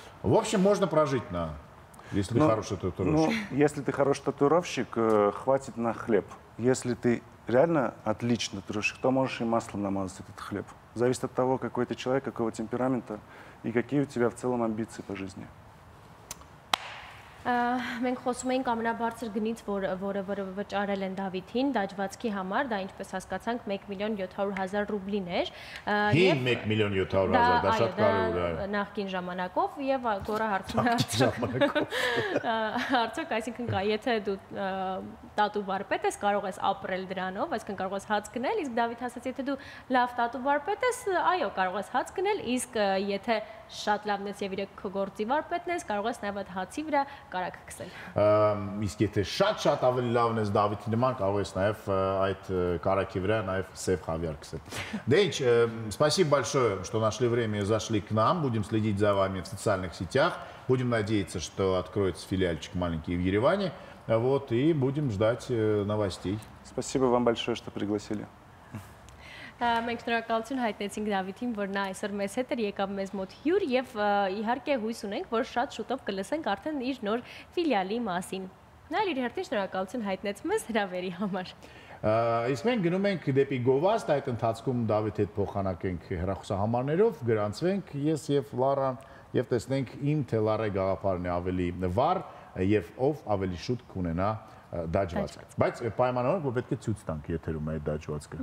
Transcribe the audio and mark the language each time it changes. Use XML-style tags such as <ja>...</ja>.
<ru>В общем, можно прожить на... Если ты хороший татуировщик. Ну, если ты хороший татуировщик, хватит на хлеб. Если ты реально отличный татуировщик, то можешь и маслом намазать этот хлеб. Зависит от того, какой ты человек, какого темперамента и какие у тебя в целом амбиции по жизни.</ru> <hy>Մենք խոսում էինք ամենաբարձր գնից, որը վճարել են Դավիթին դաջվածքի համար, դա ինչպես հասկացանք 1 700 000 ռուբլին էր։ Հին 1 700 000, դա շատ կարևոր է։ Դա նախկին ժամանակով, և Գորը հարցում է, արդյոք, այսինքն կա, եթե դու տատու վարպետ ես, կարող ես ապրել դրանով, այսինքն կարող ես հաց գնել, իսկ Դավիթ ասաց, եթե դու լավ տատու վարպետ ես, այո, կարող ես հաց գնել, իսկ եթե շատ լավն ես և իրեք քո գործի վարպետն ես, կարող ես նաև այդ հացի վրա կարակ կսել։ Իսկ եթե շատ-շատ ավելի լավն ես Դավիթի նման, կարող ես նաև այդ կարակի վրա նաև սև խավիար կսել։ Դե ինչ,</hy> <ru>спасибо большое, что нашли время и зашли к нам. Будем следить за вами в социальных сетях. Будем надеяться, что откроется филиальчик маленький в Ереване. Вот, и будем ждать новостей. Спасибо вам большое, что пригласили. Մենք շնորհակալություն հայտնեցինք Դավիթին, որ նա այսօր մեզ հետ էր, եկավ մեզ մոտ հյուր, և իհարկե հույս ունենք, որ շատ շուտով կլսենք արդեն իր նոր ֆիլիալի մասին։ Նայլ իր հերթին շնորհակալություն հայտնեց մեզ հրավերի համար։ Իսկ մենք գնում ենք դեպի գովազդ, այդ ընթացքում Դավիթ հետ փոխանակենք հեռախոսահամարներով, գրանցվենք ես եւ Լարան եւ տեսնենք իմ թե Լարե գաղափարն է ավելի վառ եւ ով ավելի շուտ կունենա դաջվածք։ Բայց պայմանավորը որ պետք է ցույց տանք, եթե ու մայ դաջվածքը։</ru>